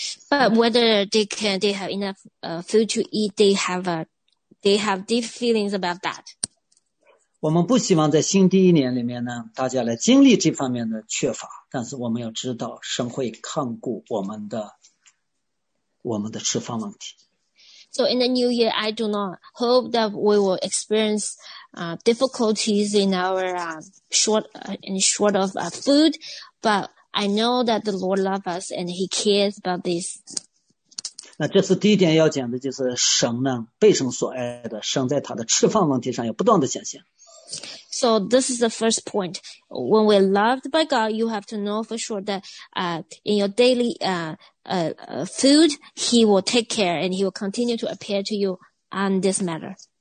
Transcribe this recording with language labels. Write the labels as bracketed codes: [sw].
[en] But whether they have enough food to eat, they have deep feelings about that. [zh] 我们不希望在新第一年里面呢，大家来经历这方面的缺乏，但是我们要知道神会看顾我们的吃饭问题。 [en] So in the new year, I do not hope that we will experience difficulties in our short of food, but I know that the Lord loves us and he cares about this. [zh] 那这是第一点要讲的，就是神呢，被神所爱的，神在他的吃饭问题上要不断的显现。 [en] So this is the first point. When we're loved by God, you have to know for sure that in your daily food, he will take care and he will continue to appear to you on this matter.